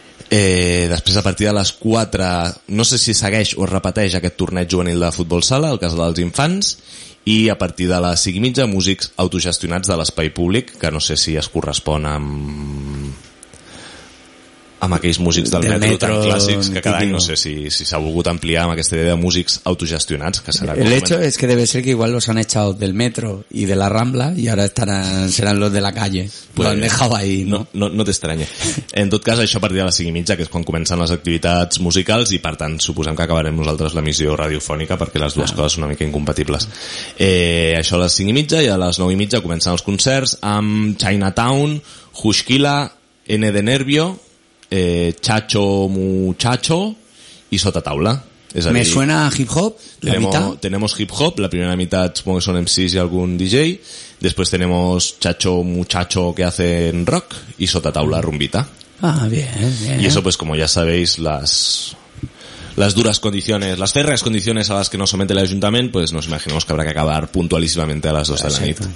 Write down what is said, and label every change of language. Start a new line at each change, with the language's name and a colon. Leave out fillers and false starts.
Catalan: Després, a partir de les 4, no sé si segueix o es repeteix aquest torneig juvenil de futbol sala, el Casal dels Infants, i a partir de les 5:30, músics autogestionats de l'espai públic, que no sé si es correspon amb aquells músics del metro tan clàssics que cada any, no sé si s'ha volgut ampliar amb aquesta idea de músics autogestionats, que serà...
Spanish: El hecho es que debe ser que igual los han echado del metro y de la Rambla y ahora serán los de la calle, pues, lo han dejado ahí, ¿no?
Catalan: No t'estranye. En tot cas, això a partir de les 5:30, que és quan comencen les activitats musicals, i per tant suposem que acabarem nosaltres l'emissió radiofònica, perquè les dues coses són una mica incompatibles. Això a les 5:30, i a les 9:30 comencen els concerts amb Chinatown, Hushkila, N de Nervio, Chacho Muchacho y Sota Taula.
Spanish: Es decir, me suena a hip hop. Tenemos hip hop, la primera mitad supongo que son MCs y algún DJ. Después tenemos Chacho Muchacho, que hacen rock, y Sota Taula, rumbita. Ah, bien. Y eso, pues, como ya sabéis, las férreas condiciones a las que nos somete el ayuntamiento, pues nos imaginamos que habrá que acabar puntualísimamente a las 2 de la noche.